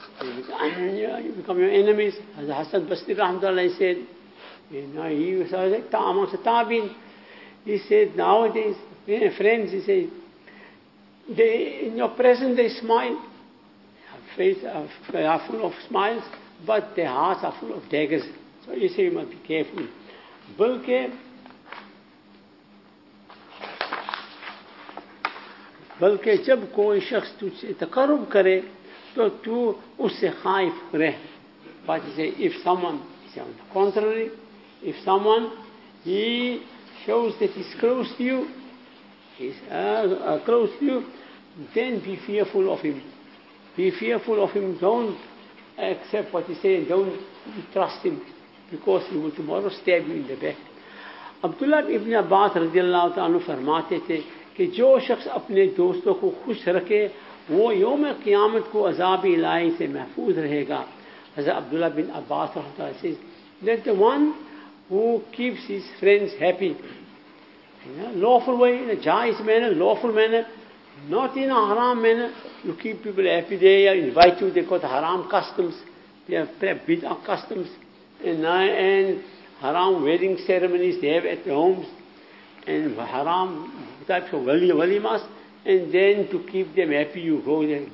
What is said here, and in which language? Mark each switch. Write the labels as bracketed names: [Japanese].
[English] You become your enemies. As Hasan Basri Rahmatullah said, he was like amongst the Tabin. He said, nowadays, friends, he said, they in your presence they smile. Their faces are full of smiles, but their hearts are full of daggers. So you say you must be careful. [Urdu] Bulke, بلکہ جب کوئی شخص تجھ سے تقرب کرے تو تو اس سے خائف رہ. [English] But he say, if someone shows that he's close to you, then be fearful of him. Be fearful of him. Don't accept what he say. Don't trust him, because he will tomorrow stab you in the back. [Urdu] عبداللہ ابن عباس رضی اللہ تعالیٰ عنہ فرماتے تھے کہ جو شخص اپنے دوستوں کو خوش رکھے وہ یوم قیامت کو عذاب الہی سے محفوظ رہے گا. [English] حضرت عبداللہ بن عباس رحمۃ اللہ علیہ that the one who keeps his friends happy in a lawful way, in a jais manner, lawful manner, not in a haram manner. You keep people happy, they invite you, they got haram customs, they have bid'ah customs and haram wedding ceremonies they have at their homes, and haram types of walimas, and then to keep them happy you go there.